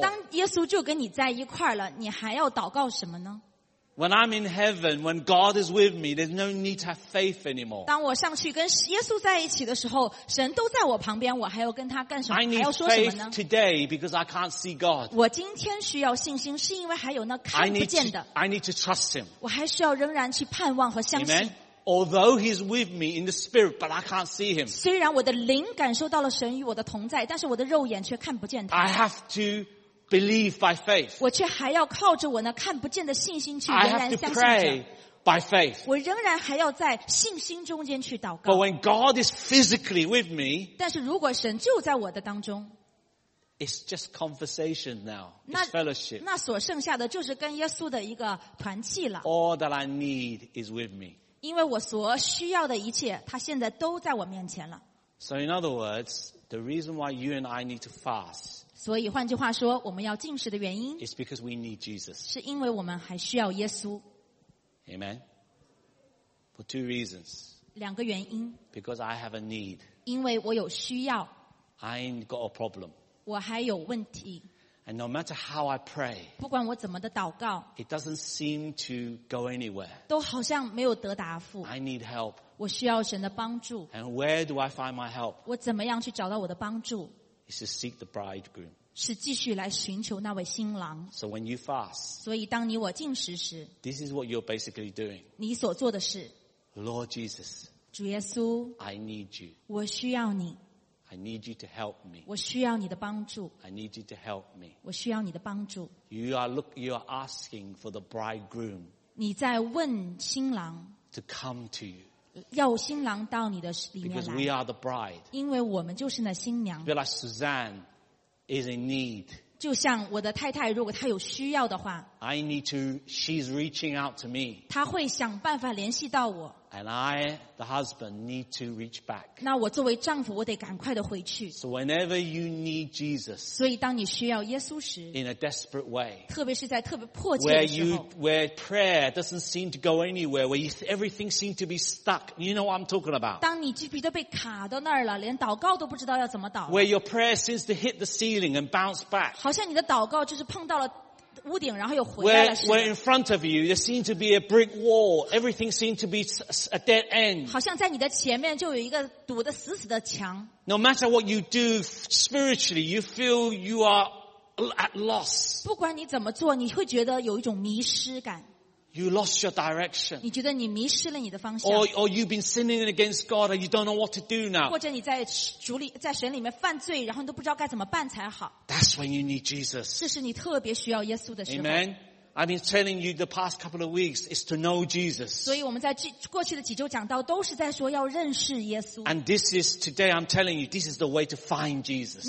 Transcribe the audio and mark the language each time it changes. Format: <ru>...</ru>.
<zh>当耶稣就跟你在一块了，你还要祷告什么呢？</zh> <en>When I'm in heaven, when God is with me, there's no need to have faith anymore.</en> <zh>当我上去跟耶稣在一起的时候，神都在我旁边，我还要跟他干什么？还要说什么呢？</zh> <en>I need faith today because I can't see God.</en> <zh>我今天需要信心，是因为还有那看不见的。</zh> <en>I need to trust Him.</en> <zh>我还需要仍然去盼望和相信。</zh> <en>Amen. Although He's with me in the spirit, but I can't see Him.</en> <zh>虽然我的灵感受到了神与我的同在，但是我的肉眼却看不见他。</zh> <en>I have to. Believe by faith.</en> <zh>我却还要靠着我那看不见的信心去仍然相信着。</zh> <en>I have to pray by faith.</en> <zh>我仍然还要在信心中间去祷告。</zh> <en>But when God is physically with me,</en> <zh>但是如果神就在我的当中，</zh> <en>it's just conversation now. It's fellowship.</en> <zh>那所剩下的就是跟耶稣的一个团契了。</zh> <en>All that I need is with me.</en> <zh>因为我所需要的一切，他现在都在我面前了。</zh> <en>So in other words, the reason why you and I need to fast.</en> <zh>所以换句话说，我们要禁食的原因</zh> <en>It's because we need Jesus.</en> <zh>是因为我们还需要耶稣。</zh> <en>Amen. For two reasons.</en> <zh>两个原因。</zh> <en>Because I have a need.</en> <zh>因为我有需要。</zh> <en>I've got a problem.</en> <zh>我还有问题。</zh> <en>And no matter how I pray,</en> <zh>不管我怎么的祷告，</zh> <en>it doesn't seem to go anywhere.</en> <zh>都好像没有得答复。</zh> <en>I need help.</en> <zh>我需要神的帮助。</zh> <en>And where do I find my help?</en> <zh>我怎么样去找到我的帮助？</zh> <en>To seek the bridegroom.</en> <zh>是继续来寻求那位新郎。</zh> <en>So when you fast,</en> <zh>所以当你我禁食时，</zh> <en>this is what you're basically doing.</en> <zh>你所做的是，</zh> <en>Lord Jesus,</en> <zh>主耶稣，</zh> <en>I need you.</en> <zh>我需要你。</zh> <en>I need you to help me.</en> <zh>我需要你的帮助。</zh> <en>I need you to help me.</en> <zh>我需要你的帮助。</zh> <en>You are asking for the bridegroom.</en> <zh>你在问新郎。</zh> <en>To come to you.</en> <zh>要新郎到你的里面来。</zh> <en>Because we are the bride.</en> <zh>因为我们就是那新娘。</zh> <en>Like Suzanne is in need.</en> <zh>就像我的太太，如果她有需要的话。</zh> <en>I need to. She's reaching out to me.</en> <zh>她会想办法联系到我。</zh> <en>And I, the husband, need to reach back.</en> <zh>那我作为丈夫，我得赶快的回去。</zh> <en>So whenever you need Jesus,</en> <zh>所以当你需要耶稣时</zh> <en>，in a desperate way,</en> <zh>特别是在特别迫切的时候</zh> <en>，where prayer doesn't seem to go anywhere, where everything seems to be stuck, you know what I'm talking about?</en> <zh>当你鸡皮都被卡到那儿了，连祷告都不知道要怎么祷。</zh> <en>Where your prayer seems to hit the ceiling and bounce back.</en> <zh>好像你的祷告就是碰到了。屋顶，然后又回来了。</zh> <en>Where in front of you, there seems to be a brick wall. Everything seems to be a dead end.</en> <zh>好像在你的前面就有一个堵得死死的墙。</zh> <en>No matter what you do spiritually, you feel you are at loss.</en> <zh>不管你怎么做，你会觉得有一种迷失感。</zh> <en>You lost your direction.</en> <zh>你觉得你迷失了你的方向。</zh> <en>Or you've been sinning against God and you don't know what to do now.</en> <zh>或者你在主里在神里面犯罪，然后你都不知道该怎么办才好。</zh> <en>That's when you need Jesus.</en> <zh>这是你特别需要耶稣的时候。</zh> <en>Amen. I've been telling you the past couple of weeks is to know Jesus.</en> <zh>所以我们在过去的几周讲到都是在说要认识耶稣。</zh> <en>And this is today I'm telling you this is the way to find Jesus.</en>